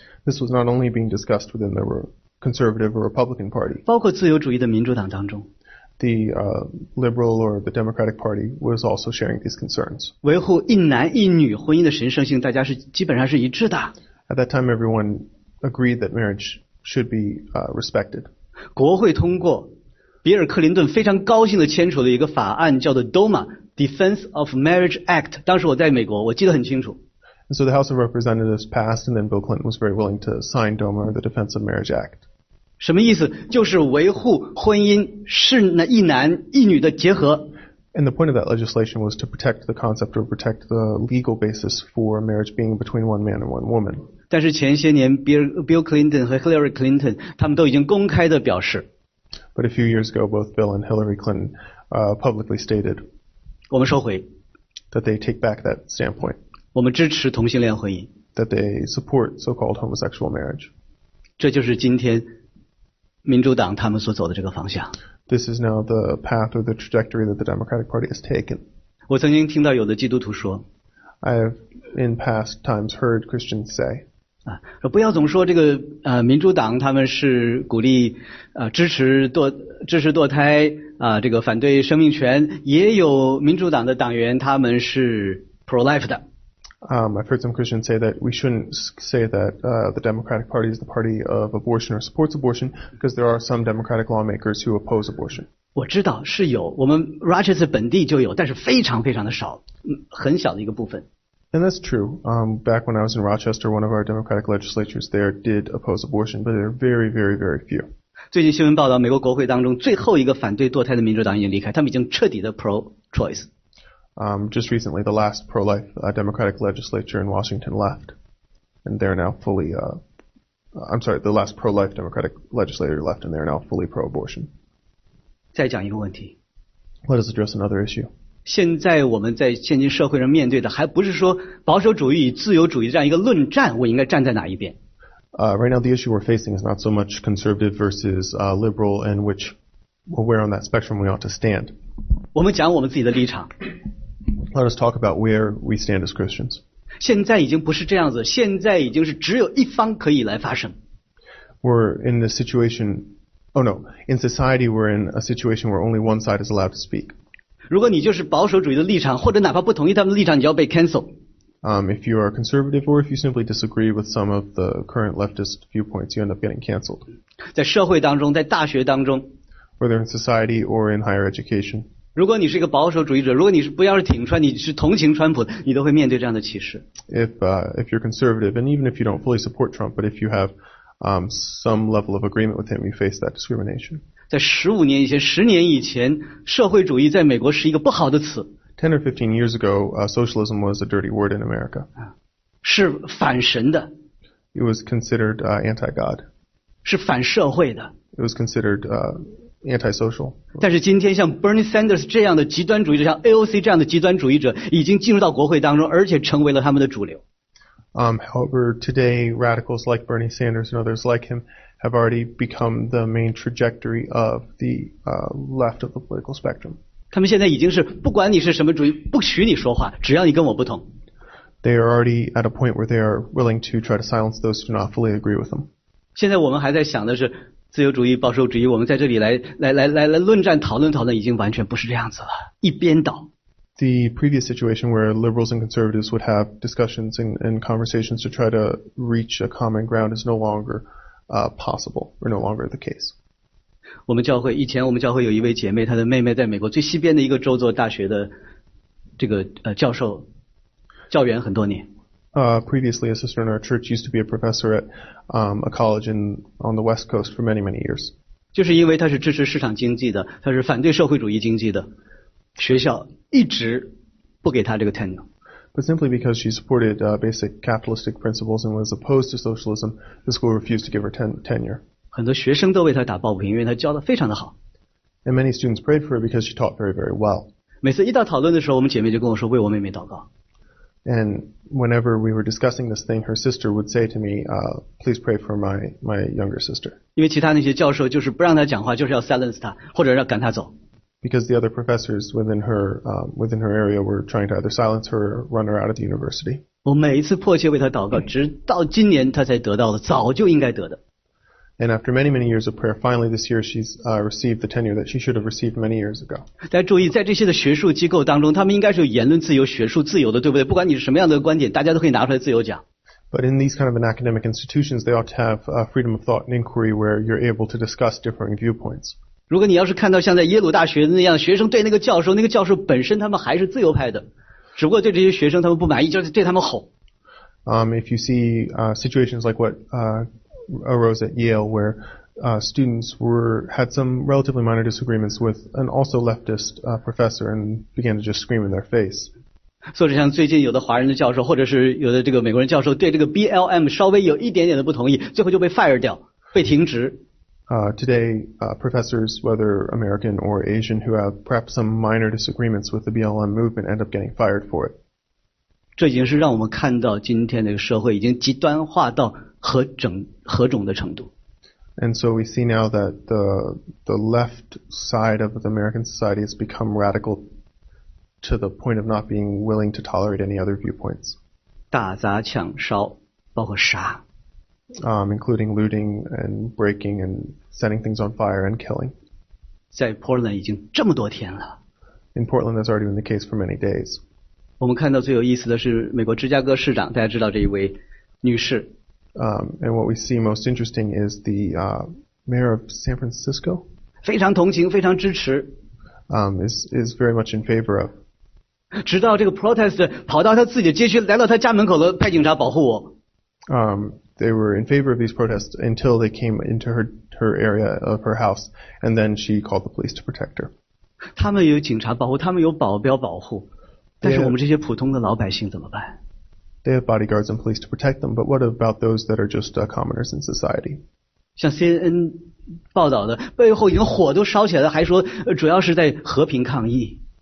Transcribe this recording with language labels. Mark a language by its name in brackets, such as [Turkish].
[English] This was not only being discussed within the conservative or Republican party. [Chinese] 包括自由主义的民主党当中 [English] The Liberal or the Democratic Party was also sharing these concerns. [Chinese] 维护一男一女婚姻的神圣性，大家是基本上是一致的。 [English] At that time, everyone agreed that marriage should be respected. [Chinese] 国会通过，比尔·克林顿非常高兴地签署了一个法案，叫做 DOMA, Defense of Marriage Act. 当时我在美国，我记得很清楚。 [English] And so the House of Representatives passed, and then Bill Clinton was very willing to sign DOMA, the Defense of Marriage Act. [Chinese] 什么意思？就是维护婚姻是那一男一女的结合。 [English] And the point of that legislation was to protect the concept or protect the legal basis for marriage being between one man and one woman. [Chinese] 但是前些年 ，Bill Clinton 和 Hillary Clinton 他们都已经公开的表示。 [English] But a few years ago, both Bill and Hillary Clinton publicly stated. [Chinese] 我们收回。 [English] That they take back that standpoint. [Chinese] 我们支持同性恋婚姻。 [English] That they support so-called homosexual marriage. [Chinese] 这就是今天。民主党他们所走的这个方向。 [English] This is now the path or the trajectory that the Democratic Party has taken. [Chinese] 我曾经听到有的基督徒说 [English] I have in past times heard Christians say, [Chinese] 不要总说这个民主党他们是鼓励支持堕胎这个反对生命权也有民主党的党员他们是 pro-life 的。 [English] I've heard some Christians say that we shouldn't say that the Democratic Party is the party of abortion or supports abortion because there are some Democratic lawmakers who oppose abortion. [Chinese] 我知道是有，我们 Rochester 本地就有，但是非常非常的少，很小的一个部分。 [English] And that's true. Back when I was in Rochester, one of our Democratic legislatures there did oppose abortion, but there are very, very, very few. [Chinese] 最近新闻报道，美国国会当中最后一个反对堕胎的民主党已经离开，他们已经彻底的 pro-choice。 [English] Just recently, the last pro-life Democratic legislature in Washington left, and they're now fully, I'm sorry, the last pro-life Democratic legislature left, and they're now fully pro-abortion. [Chinese] 再讲一个问题。 [English] Let us address another issue. [Chinese] 现在我们在现今社会上面对的还不是说保守主义与自由主义这样一个论战，我应该站在哪一边。 [English] Right now the issue we're facing is not so much conservative versus liberal and which where on that spectrum we ought to stand. [Chinese] 我们讲我们自己的立场。 [English] Let us talk about where we stand as Christians. [Chinese] 现在已经不是这样子，现在已经是只有一方可以来发声。 [English] We're in the situation, oh no, in society we're in a situation where only one side is allowed to speak. [Chinese] 如果你就是保守主义的立场，或者哪怕不同意他们的立场，你就要被 cancel。 [English] If you are conservative or if you simply disagree with some of the current leftist viewpoints, you end up getting canceled。 [Chinese] 在社会当中，在大学当中 [English] ，whether in society or in higher education。 [Chinese] 如果你是一个保守主义者，如果你是不要是挺川，你是同情川普，你都会面对这样的歧视。 [English] If you're conservative and even if you don't fully support Trump, but if you have some level of agreement with him, you face that discrimination. [Chinese] 在十五年以前，十年以前，社会主义在美国是一个不好的词。 [English] 10 or 15 years ago, socialism was a dirty word in America. [Chinese] 是反神的。 [English] It was considered anti-God. [Chinese] 是反社会的。 [English] It was considered anti-social. [Chinese] 但是今天像 Bernie Sanders 这样的极端主义者，像 AOC 这样的极端主义者，已经进入到国会当中，而且成为了他们的主流。 [English] However, today, radicals like Bernie Sanders and others like him have already become the main trajectory of the left of the political spectrum. [Chinese] 他们现在已经是不管你是什么主义，不许你说话，只要你跟我不同。 [English] They are already at a point where they are willing to try to silence those who do not fully agree with them. [Chinese] 现在我们还在想的是自由主义、保守主义，我们在这里来论战、讨论讨论，已经完全不是这样子了，一边倒。 [English] The previous situation where liberals and conservatives would have discussions and conversations to try to reach a common ground is no longer possible or no longer the case. [Chinese] 我们教会以前我们教会有一位姐妹，她的妹妹在美国最西边的一个州做大学的这个教授教员很多年。 [English] Previously, a sister in our church used to be a professor at a college on the west coast for many many years. [Chinese] 就是因为她是支持市场经济的，她是反对社会主义经济的。学校一直不给他这个 tenure. [English] But simply because she supported basic capitalistic principles and was opposed to socialism, the school refused to give her tenure. [Chinese] 很多学生都为他打抱不平，因为他教得非常的好。 [English] And many students prayed for her because she taught very, very well. [Chinese] 每次一到讨论的时候，我们姐妹就跟我说为我妹妹祷告。 [English] And whenever we were discussing this thing, her sister would say to me, please pray for my younger sister. [Chinese] 因为其他那些教授就是不让他讲话，就是要 silence 他，或者要赶他走。 [English] Because the other professors within her area were trying to either silence her or run her out of the university. [Chinese] 我每一次迫切为她祷告，直到今年她才得到的，早就应该得的。 [English] And after many many years of prayer, finally this year she's received the tenure that she should have received many years ago. [Chinese] 大家注意，在这些的学术机构当中，他们应该是有言论自由、学术自由的，对不对？不管你是什么样的观点，大家都可以拿出来自由讲。 [English] But in these kind of an academic institutions, they ought to have freedom of thought and inquiry where you're able to discuss differing viewpoints. [Chinese] 如果你要是看到像在耶鲁大学那样学生对那个教授，那个教授本身他们还是自由派的，只不过对这些学生他们不满意，就是对他们吼。 [English] If you see situations like what arose at Yale, where students had some relatively minor disagreements with an also leftist professor and began to just scream in their face. [Chinese] 所以像最近有的华人的教授，或者是有的这个美国人教授，对这个 BLM 稍微有一点点的不同意，最后就被 fire 掉，被停职。 [English] Today, professors, whether American or Asian, who have perhaps some minor disagreements with the BLM movement, end up getting fired for it. [Chinese] 这已经是让我们看到今天的社会已经极端化到何种的程度。 [English] And so we see now that the left side of the American society has become radical to the point of not being willing to tolerate any other viewpoints. [Chinese] 打砸抢烧，包括杀。 [English] Including looting and breaking and setting things on fire and killing. [Chinese] 在 Portland 已经这么多天了。 [English] In Portland, that's already been the case for many days. [Chinese] 我们看到最有意思的是美国芝加哥市长，大家知道这一位女士。 [English] And what we see most interesting is the mayor of San Francisco. [Chinese] 非常同情，非常支持。 [English] Is very much in favor of. [Chinese] 直到这个 protest 跑到他自己的街区，来到他家门口了，派警察保护我。 [English] they were in favor of these protests until they came into her area of her house, and then she called the police to protect her. [Chinese] 他们有警察保护，他们有保镖保护，但是我们这些普通的老百姓怎么办？ [English] They have bodyguards and police to protect them, but what about those that are just commoners in society? [Chinese] 像 CNN 报道的，背后已经火都烧起来了，还说主要是在和平抗议。